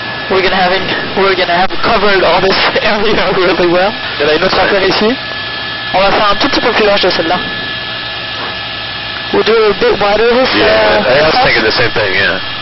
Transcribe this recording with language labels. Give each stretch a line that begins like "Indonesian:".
English: We're gonna have covered all this area really well.
French: Il y a une autre affaire ici. On va faire un tout petit peu plus large de celle-là.
English: We'll do a bit wider this. Yeah, I was thinking the same thing, yeah.